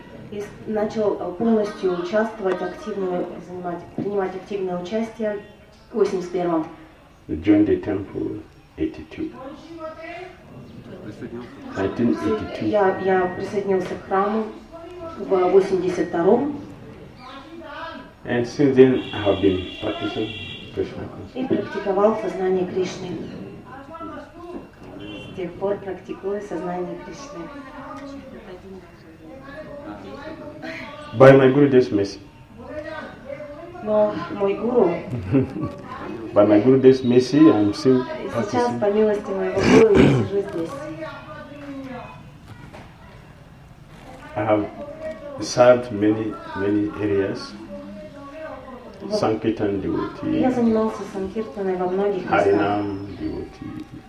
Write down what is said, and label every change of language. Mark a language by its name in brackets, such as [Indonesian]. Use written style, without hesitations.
[Russian] И начал полностью участвовать, активно занимать, принимать активное участие в 81-м. [English] Joined the temple 82. 1982. [Russian] Я присоединился к храму в 82-м. [English] And since then I have been practicing Krishna consciousness. [Russian] И практиковал сознание Кришны. С тех пор практикую сознание Кришны. [English] By my guru this mercy. [Russian] Но мой гуру. [English] By my guru this mercy, I'm still practicing. [Russian] Сейчас по милости моего гуру я сижу здесь. [English] I have served many areas. Вот. Sankirtan devotee. [Russian] Я занимался санкиртаной во многих местах. [English] Харинам devotee.